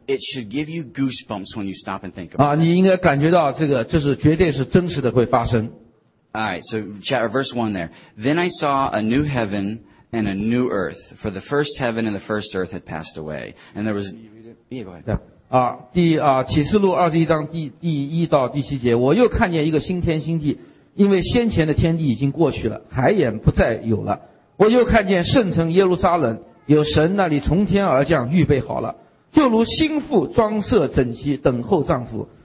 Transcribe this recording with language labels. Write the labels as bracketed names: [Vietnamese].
[English] It should give you goosebumps when you stop and think about it. [Chinese] 啊，你应该感觉到这个，这是绝对是真实的会发生。 [English] Alright, so chapter verse 1 there. Then I saw a new heaven and a new earth, for the first heaven and the first earth had passed away. And there was... Yeah, go ahead. [Chinese] 啊，第啊，启示录二十一章第一到第七节，我又看见一个新天新地，因为先前的天地已经过去了，海眼不再有了。我又看见圣城耶路撒冷有神那里从天而降预备好了，就如新妇装设整齐等候丈夫。